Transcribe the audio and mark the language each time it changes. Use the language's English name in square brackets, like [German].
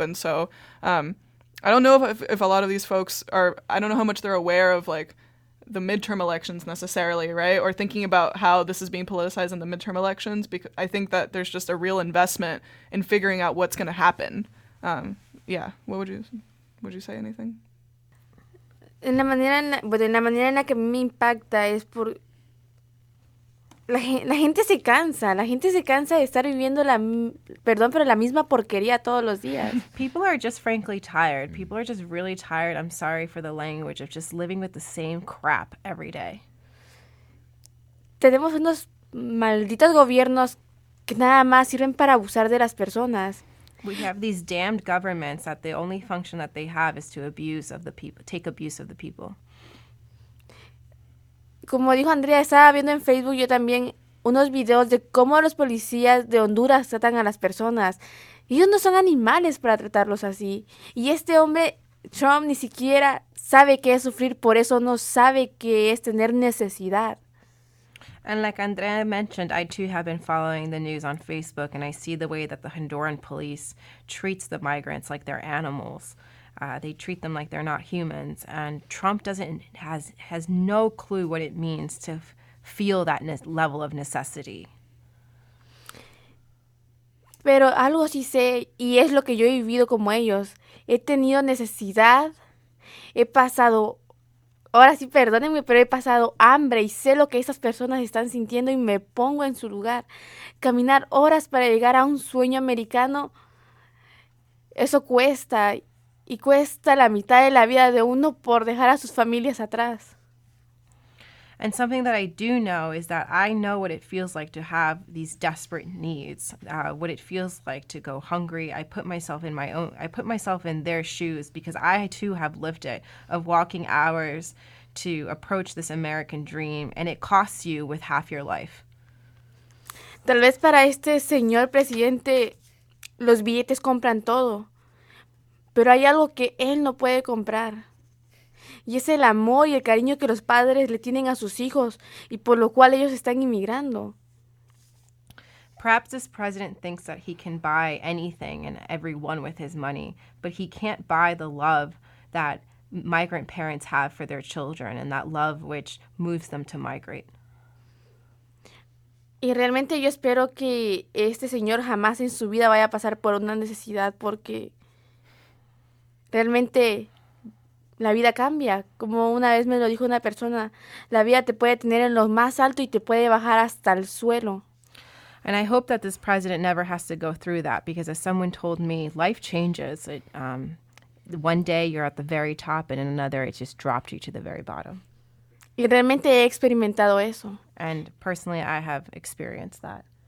[English] And so, I don't know if a lot of these folks are, I don't know how much they're aware of, like, the midterm elections necessarily, right? Or thinking about how this is being politicized in the midterm elections, because I think that there's just a real investment in figuring out what's going to happen. Yeah, what would you say anything? [Spanish] En la manera en la, bueno, en la manera en la que me impacta es por la gente se cansa de estar viviendo la perdón, pero la misma porquería todos los días. [English] People are just frankly tired. People are just really tired. I'm sorry for the language of just living with the same crap every day. [Spanish] Tenemos unos malditos gobiernos que nada más sirven para abusar de las personas. [English] We have these damned governments that the only function that they have is to abuse of the people, take abuse of the people. [Spanish] Como dijo Andrea, estaba viendo en Facebook yo también unos videos de cómo los policías de Honduras tratan a las personas. Ellos no son animales para tratarlos así. Y este hombre, Trump, ni siquiera sabe qué es sufrir, por eso no sabe qué es tener necesidad. [English] And like Andrea mentioned, I too have been following the news on Facebook, and I see the way that the Honduran police treats the migrants like they're animals. They treat them like they're not humans. And Trump has no clue what it means to feel that level of necessity. [Spanish] Pero algo sí sé, y es lo que yo he vivido como ellos. He tenido necesidad, he pasado... Ahora sí, perdónenme, pero he pasado hambre y sé lo que esas personas están sintiendo y me pongo en su lugar. Caminar horas para llegar a un sueño americano, eso cuesta. Y cuesta la mitad de la vida de uno por dejar a sus familias atrás. [English] And something that I do know is that I know what it feels like to have these desperate needs, what it feels like to go hungry. I put myself in their shoes because I too have lived it, of walking hours to approach this American dream, and it costs you with half your life. [Spanish] Tal vez para este señor presidente los billetes compran todo, pero hay algo que él no puede comprar. Y es el amor y el cariño que los padres le tienen a sus hijos y por lo cual ellos están inmigrando. [English] Perhaps this president thinks that he can buy anything and everyone with his money, but he can't buy the love that migrant parents have for their children and that love which moves them to migrate. [Spanish] Y realmente yo espero que este señor jamás en su vida vaya a pasar por una necesidad porque realmente... La vida cambia. Como una vez me lo dijo una persona, la vida te puede tener en lo más alto y te puede bajar hasta el suelo. [English] And I hope that this president never has to go through that, because as someone told me, life changes. One day you're at the very top and in another it just dropped you to the very bottom. [Spanish] Y realmente he experimentado eso. [English] And personally I have experienced that.